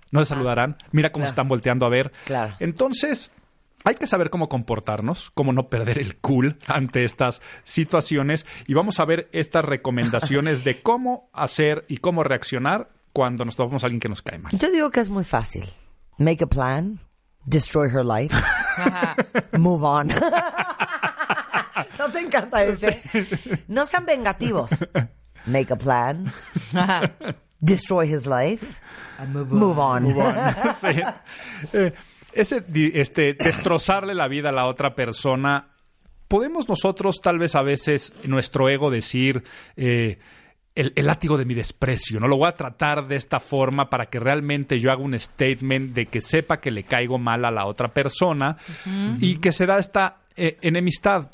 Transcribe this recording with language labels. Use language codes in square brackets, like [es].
[es] ¿No se saludarán? Mira cómo claro, se están volteando a ver. Claro. Entonces, hay que saber cómo comportarnos, cómo no perder el cool ante estas situaciones. Y vamos a ver estas recomendaciones de cómo hacer y cómo reaccionar cuando nos topamos a alguien que nos cae mal. Yo digo que es muy fácil. [en] Make a plan, destroy her life, move on. [es] ¿No te encanta ese? Sí. No sean vengativos. [en] Make a plan, destroy his life, and move on. [es] Sí. Ese destrozarle la vida a la otra persona, ¿podemos nosotros tal vez a veces nuestro ego decir el látigo de mi desprecio, no lo voy a tratar de esta forma para que realmente yo haga un statement de que sepa que le caigo mal a la otra persona, uh-huh, y que se da esta enemistad?